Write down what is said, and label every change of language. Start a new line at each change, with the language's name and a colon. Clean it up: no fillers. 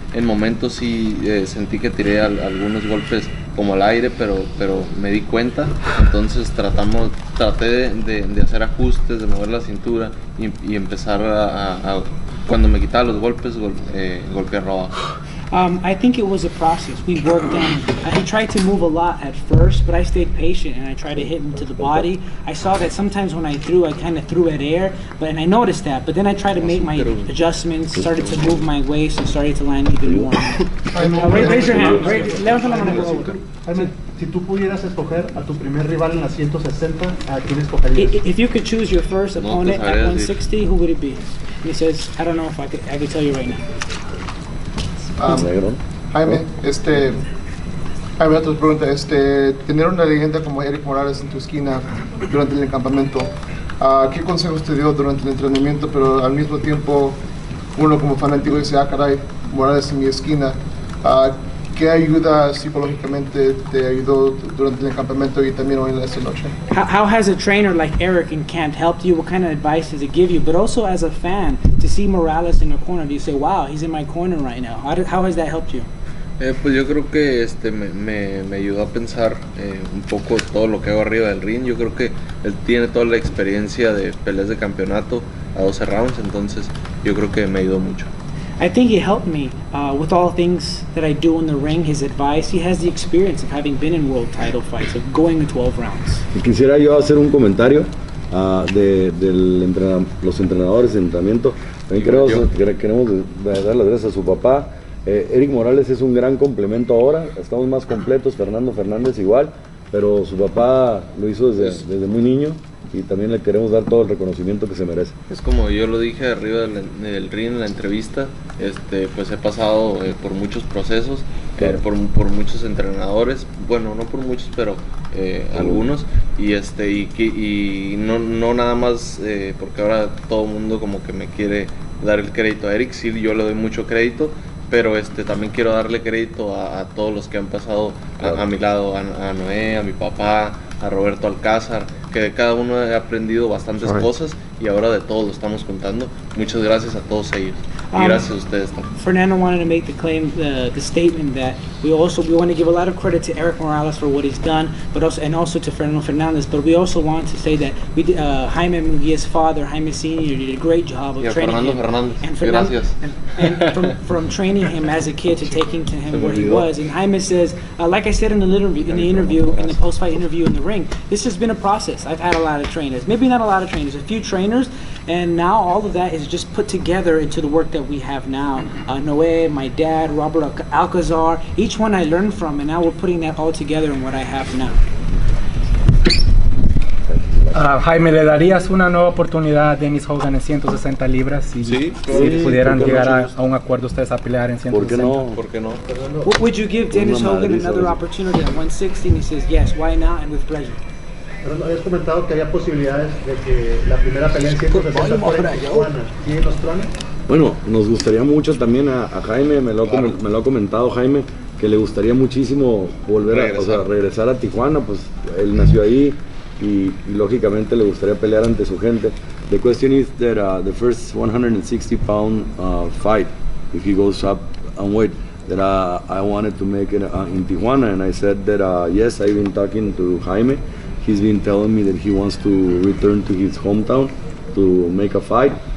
Spanish: En momentos sí sentí que tiré algunos golpes como al aire, pero me di cuenta. Entonces traté de hacer ajustes, de mover la cintura y empezar a cuando me quitaba los golpes, golpearlo abajo.
English: I think it was a process. We worked on it. He tried to move a lot at first, but I stayed patient and I tried to hit him to the body. I saw that sometimes when I threw, I kind of threw at air, and I noticed that. But then I tried to make my adjustments, started to move my waist, and started to land even more. Raise your hand.
Spanish: Levanta la mano. Si tú pudieras escoger a tu primer rival en la 160, ¿a quién escogerías?
English: If you could choose your first opponent at 160, who would it be? He says, I don't know if I could tell you right now.
Spanish: Jaime, Jaime, otra pregunta. Tener una leyenda como Eric Morales en tu esquina durante el campamento, ¿qué consejos te dio durante el entrenamiento? Pero al mismo tiempo, uno como fanático dice, ah, caray, Morales en mi esquina. ¿Qué ayuda psicológicamente te ayudó durante el campamento y también hoy en esta noche?
English: How has a trainer like Eric in camp helped you? What kind of advice does it give you? But also as a fan, to see Morales in your corner, do you say, wow, he's in my corner right now? How has that helped you?
Spanish: Pues yo creo que me ayudó a pensar un poco todo lo que hago arriba del ring. Yo creo que él tiene toda la experiencia de peleas de campeonato a 12 rounds, entonces yo creo que me ayudó mucho.
English: I think he helped me with all things that I do in the ring, his advice. He has the experience of having been in world title fights, of going 12 rounds.
Spanish: Quisiera yo hacer un comentario los entrenadores de entrenamiento. También queremos dar las gracias a su papá. Eric Morales es un gran complemento ahora. Estamos más completos, Fernando Fernández igual. Pero su papá lo hizo desde muy niño. Y también le queremos dar todo el reconocimiento que se merece. Es como yo lo dije arriba del ring en la entrevista, pues he pasado por muchos procesos, claro. por muchos entrenadores, bueno, no por muchos, pero algunos, y no nada más porque ahora todo el mundo como que me quiere dar el crédito a Eric, sí, yo le doy mucho crédito, pero también quiero darle crédito a todos los que han pasado a mi lado, a Noé, a mi papá, a Roberto Alcázar, que de cada uno he aprendido bastantes cosas y ahora de todos lo estamos contando. Muchas gracias a todos ellos y gracias a ustedes también.
English: Fernando wanted to make the claim, the statement that we want to give a lot of credit to Eric Morales for what he's done, but also and also to Fernando Fernández, but we also want to say that Jaime Munguía's father, Jaime Senior, did a great job of training Fernando him.
Spanish: Fernández, gracias.
English: And from training him as a kid to taking to him where he was. And Jaime says, like I said in the post-fight interview in the ring, this has been a process. I've had a lot of trainers. Maybe not a lot of trainers, a few trainers. And now all of that is just put together into the work that we have now. Noé, my dad, Robert Alcazar, each one I learned from, and now we're putting that all together in what I have now.
Spanish: Jaime, ¿le darías una nueva oportunidad a Dennis Hogan en 160 libras si pudieran llegar a un acuerdo ustedes a pelear en 160? ¿Por qué no?
English: Would you give Dennis Hogan another opportunity at 160? And he says, yes, why not? And with pleasure.
Spanish: Pero no habías comentado que había posibilidades de que la primera pelea en 160 fuera en Tijuana. ¿Tienen los planes? Bueno, nos gustaría mucho también a Jaime, me lo ha comentado Jaime, que le gustaría muchísimo volver regresar a Tijuana, pues él nació ahí. Y lógicamente le gustaría pelear ante su gente.
English: The question is that the first 160-pound fight, if he goes up and weight, that I wanted to make it in Tijuana. And I said that, yes, I've been talking to Jaime. He's been telling me that he wants to return to his hometown to make a fight.